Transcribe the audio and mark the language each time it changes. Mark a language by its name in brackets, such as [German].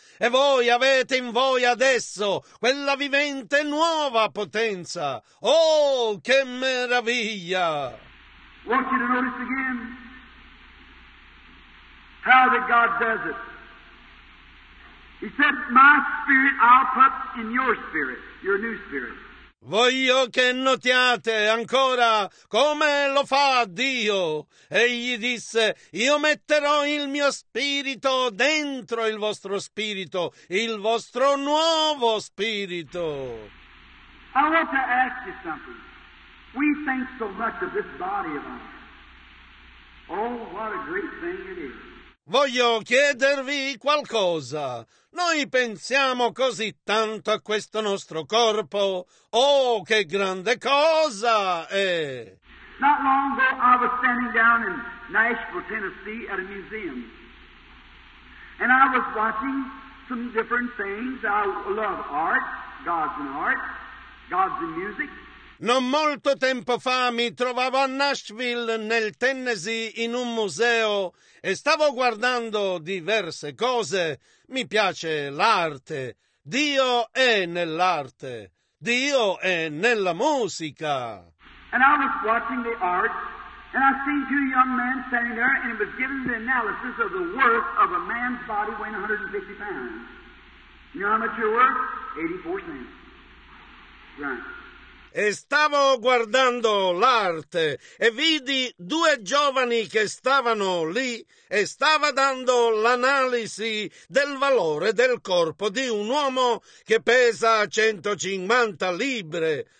[Italian] E voi avete in voi adesso quella vivente nuova potenza. Oh, che meraviglia! [English] I want you to notice again how that God does it. He said, my spirit I'll put in your spirit, your new spirit. [Italian] Voglio che notiate ancora come lo fa Dio. Egli disse: io metterò il mio spirito dentro il vostro spirito, il vostro nuovo spirito. [English] I want to ask you something. We think so much of this body of ours. Oh, what a great thing it is. [Italian] Voglio chiedervi qualcosa. Noi pensiamo così tanto a questo nostro corpo. Oh, che grande cosa è! [English] Not long ago, I was standing down in Nashville, Tennessee, at a museum. And I was watching some different things. I love art. God's in art. God's in music. [Italian] Non molto tempo fa mi trovavo a Nashville, nel Tennessee, in un museo e stavo guardando diverse cose. Mi piace l'arte. Dio è nell'arte. Dio è nella musica. [English] And I was watching the art and I seen two young men standing there and it was given the analysis of the worth of a man's body weighing 150 pounds. You know how much you're worth? 84 cents. Right. [Italian] E stavo guardando l'arte e vidi due giovani che stavano lì e stava dando l'analisi del valore del corpo di un uomo che pesa 150 libbre.